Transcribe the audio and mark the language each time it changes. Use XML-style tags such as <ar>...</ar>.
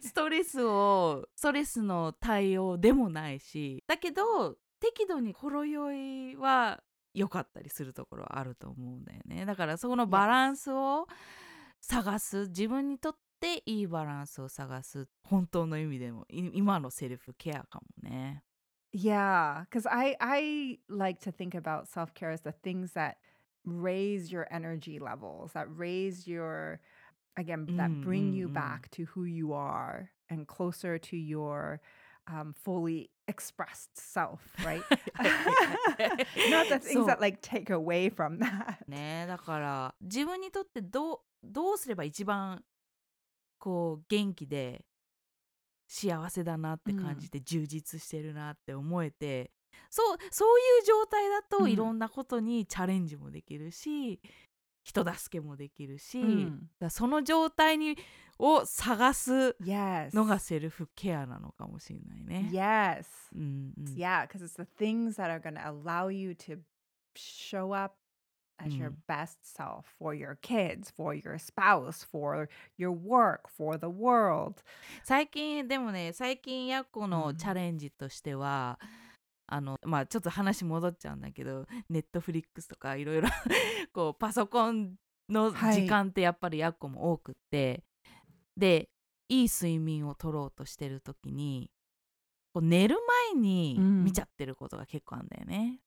<ja>ストレスをストレスの対応でもないし、だけど適度にほろ酔いは良かったりするところはあると思うんだよね。だからそのバランスを探す、yes. 自分にとっていいバランスを探す、本当の意味でも今のセルフケアかもね。</ja> <en>Yeah, because I like to think about self-care as the things that raise your energy levels, that raise your, again, that bring you back to who you are and closer to your fully expressed self, right? Not the things that like take away from that.</en> <ja>ね、だから自分にとってどうすれば一番こう元気で幸せだなって感じて充実してるなって思えて、そういう状態だといろんなことにチャレンジもできるし、人助けもできるし、だその状態にを探すのがセルフケアなのかもしれないね。</ja> <en>Yes. Yeah, because it's the things that are going to allow you to show up as your best self for your kids, for your spouse, for your work, for the world.</en> <ja>最近でもね、最近やっこのチャレンジとしてはあのまあ、ちょっと話戻っちゃうんだけど、ネットフリックスとかいろいろこうパソコンの時間ってやっぱりやっこも多くって、はい、でいい睡眠を取ろうとしてる時にこう寝る前に見ちゃってることが結構あるんだよね。</ja>